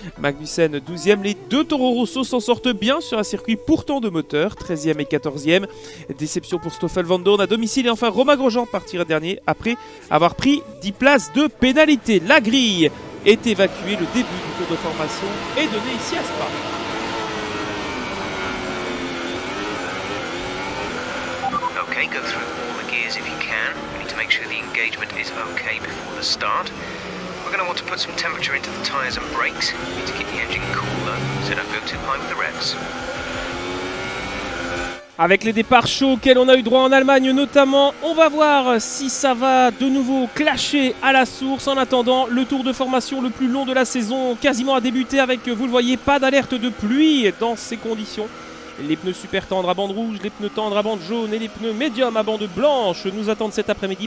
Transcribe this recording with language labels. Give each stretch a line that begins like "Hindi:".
French: Magnussen 12e, les deux Toro Rosso s'en sortent bien sur un circuit pourtant de moteur. 13e et 14e. Déception pour Stoffel Vandoorne à domicile. Et enfin, Romain Grosjean partira dernier après avoir pris 10 places de pénalité. La grille est évacuée. Le début du tour de formation est donné ici à Spa.
English: Okay, go through all the gears if you can. We need to make sure the engagement is okay before the start. We're going to want to put some temperature into the tyres and brakes. We need to keep the engine cooler, so don't go too high with the revs.
French: Avec les départs chauds auxquels on a eu droit en Allemagne notamment, on va voir si ça va de nouveau clasher à la source. En attendant, le tour de formation le plus long de la saison quasiment a débuté avec, vous le voyez, pas d'alerte de pluie dans ces conditions. Les pneus super tendres à bande rouge, les pneus tendres à bande jaune et les pneus médium à bande blanche nous attendent cet après-midi.